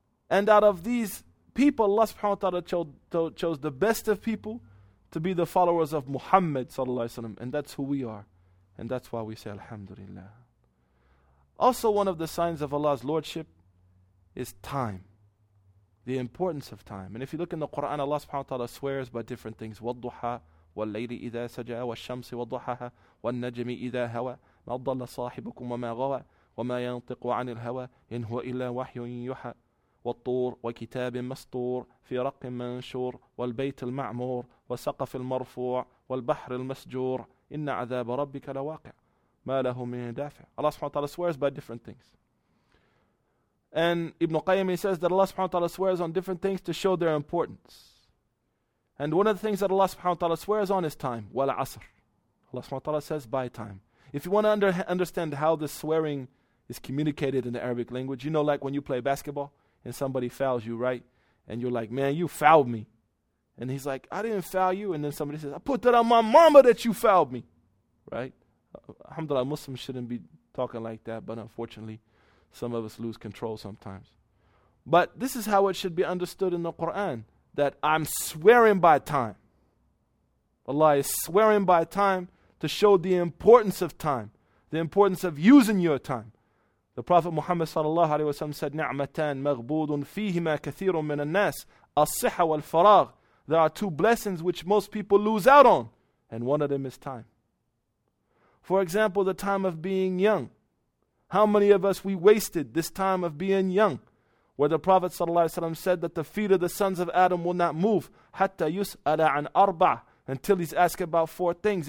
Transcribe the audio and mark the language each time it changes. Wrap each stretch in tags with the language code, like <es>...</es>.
<en>And out of these people, Allah subhanahu wa ta'ala chose the best of people to be the followers of Muhammad sallallahu alayhi wa sallam. And that's who we are. And that's why we say alhamdulillah. Also, one of the signs of Allah's lordship is time. The importance of time. And if you look in the Quran, Allah subhanahu wa ta'ala swears by different things.</en> <ar>وَالضُّحَى وَاللَّيْلِ إِذَا سَجَى وَالشَّمْسِ وَضُحَهَا وَالنَّجْمِ إِذَا هَوَى مَا ضَلَّ صَاحِبُكُمْ وَمَا غَوَى وَمَا يَنطِقُ عَنِ الْهَوَى إِنْ هُوَ إِلَّا وَحْيٌ يُوحَى والطور وكتاب مسطور في رق منشور والبيت المعمور وسقف المرفوع والبحر المسجور إن عذاب ربك لواقع ما له من دافع.</ar> <en>Allah subhanahu wa ta'ala swears by different things. And Ibn Qayyim, he says that Allah subhanahu wa ta'ala swears on different things to show their importance. And one of the things that Allah subhanahu wa ta'ala swears on is time. Wal asr. Allah subhanahu wa ta'ala says by time. If you want to understand how this swearing is communicated in the Arabic language, you know, like when you play basketball and somebody fouls you, right? And you're like, man, you fouled me. And he's like, I didn't foul you. And then somebody says, I put that on my mama that you fouled me. Right? Alhamdulillah, Muslims shouldn't be talking like that. But unfortunately, some of us lose control sometimes. But this is how it should be understood in the Quran, that I'm swearing by time. Allah is swearing by time to show the importance of time, the importance of using your time. The Prophet Muhammad sallallahu alaihi wasallam said,</en> <ar>نعمتان مغبود فيهما كثير من الناس الصحة والفراغ.</ar> <en>There are two blessings which most people lose out on, and one of them is time. For example, the time of being young. How many of us, we wasted this time of being young? where the Prophet ﷺ said that the feet of the sons of Adam will not move</en> <ar>hatta yus'ala an arba,</ar> <en>until he's asked about four things.</en>